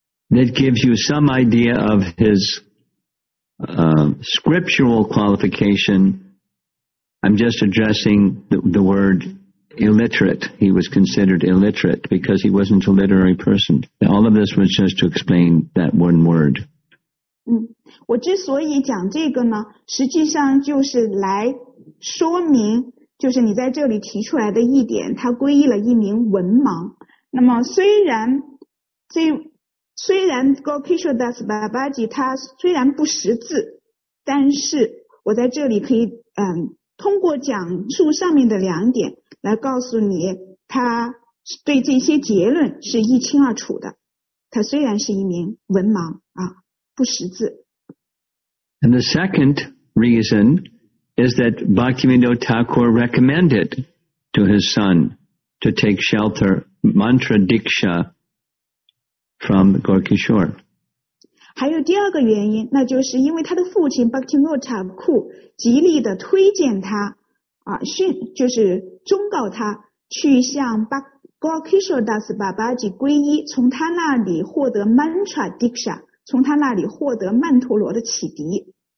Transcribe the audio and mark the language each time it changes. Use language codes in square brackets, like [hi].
[en] That gives you some idea of his scriptural qualification. I'm just addressing the word illiterate. He was considered illiterate because he wasn't a literary person. All of this was just to explain that one word. [zh] 我之所以讲这个呢，实际上就是来说明，就是你在这里提出来的一点，他皈依了一名文盲。那么虽然 Gaurkishore Das Babaji 他虽然不识字，但是我在这里可以通过讲述上面的两点来告诉你，他对这些结论是一清二楚的。他虽然是一名文盲啊，不识字。 [en] And the second reason is that Bhaktivinoda Thakur recommended to his son to take shelter mantra diksha from Gaurkishore. [zh] 还有第二个原因，那就是因为他的父亲 Bhaktivinoda Thakur 极力的推荐他啊，就是忠告他去向 Gaurkishore Das Babaji 皈依，从他那里获得 mantra diksha， 从他那里获得曼陀罗的启迪。